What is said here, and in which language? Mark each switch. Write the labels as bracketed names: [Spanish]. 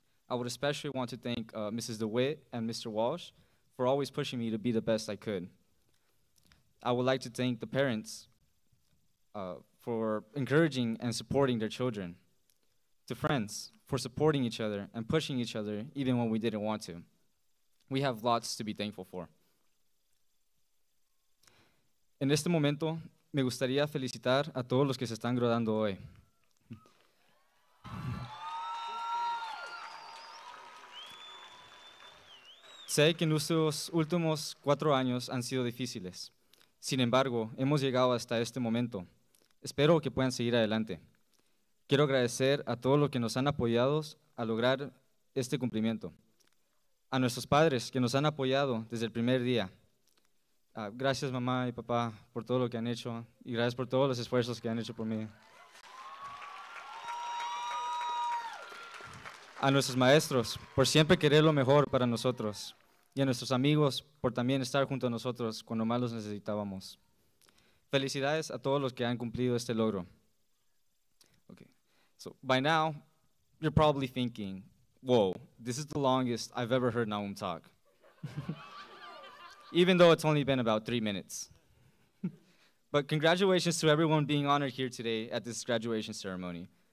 [English] I would especially want to thank Mrs. DeWitt and Mr. Walsh for always pushing me to be the best I could. I would like to thank the parents for encouraging and supporting their children. To friends, for supporting each other and pushing each other even when we didn't want to. We have lots to be thankful for. [Spanish] En este momento, me gustaría felicitar a todos los que se están graduando hoy. Sé que nuestros últimos 4 años han sido difíciles. Sin embargo, hemos llegado hasta este momento. Espero que puedan seguir adelante. Quiero agradecer a todos los que nos han apoyado a lograr este cumplimiento. A nuestros padres que nos han apoyado desde el primer día. Gracias mamá y papá por todo lo que han hecho y gracias por todos los esfuerzos que han hecho por mí. A nuestros maestros por siempre querer lo mejor para nosotros. Y a nuestros amigos por también estar junto a nosotros cuando más los necesitábamos. Felicidades a todos los que han cumplido este logro. [English] Okay, so by now, you're probably thinking, whoa, this is the longest I've ever heard Naum talk. Even though it's only been about 3 minutes. But congratulations to everyone being honored here today at this graduation ceremony.